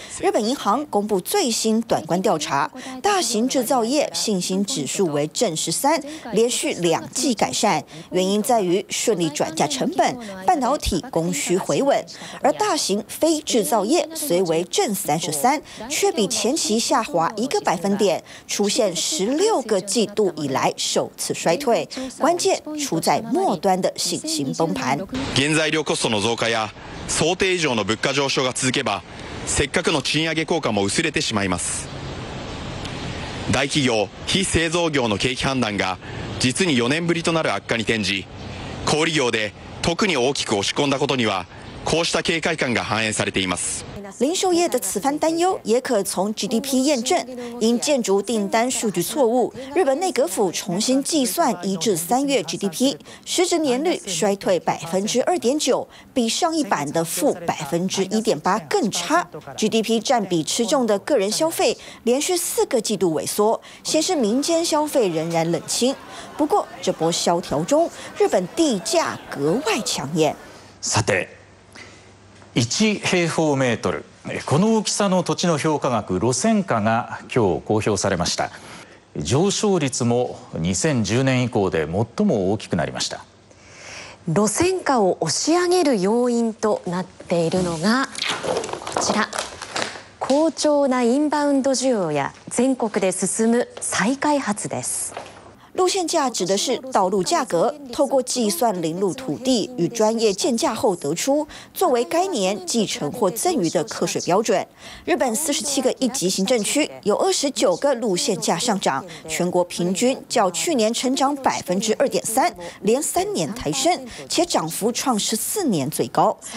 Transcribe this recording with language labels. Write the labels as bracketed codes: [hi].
[zh] 日本银行公布最新短观调查，大型制造业信心指数为正13，连续2季改善，原因在于顺利转嫁成本，半导体供需回稳。而大型非制造业虽为正33，却比前期下滑1个百分点，出现16个季度以来首次衰退，关键出在末端的信心崩盘。 [ja] 原材料コストの増加や想定以上の物価上昇が続けば。せっかくの賃上げ効果も薄れてしまいます。大企業、非製造業の景気判断が実に4年ぶりとなる悪化に転じ、小売業で特に大きく押し込んだことには、こうした警戒感が反映されています。 [zh] 零售业的此番担忧也可从 GDP 验证。因建筑订单数据错误，日本内阁府重新计算1至3月 GDP， 实质年率衰退2.9%，比上一版的-1.8%更差。 GDP 占比吃重的个人消费连续4个季度萎缩，显示民间消费仍然冷清。不过，这波萧条中，日本地价格外抢眼。 [ja] さて。 1平方メートル、この大きさの土地の評価額、路線価が今日公表されました。上昇率も2010年以降で最も大きくなりました。路線価を押し上げる要因となっているのがこちら。好調なインバウンド需要や全国で進む再開発です。 [zh] 路线价指的是道路价格，透过计算邻路土地与专业建价后得出，作为该年继承或赠予的课税标准。日本47个一级行政区有29个路线价上涨，全国平均较去年成长2.3%，连3年抬升，且涨幅创14年最高。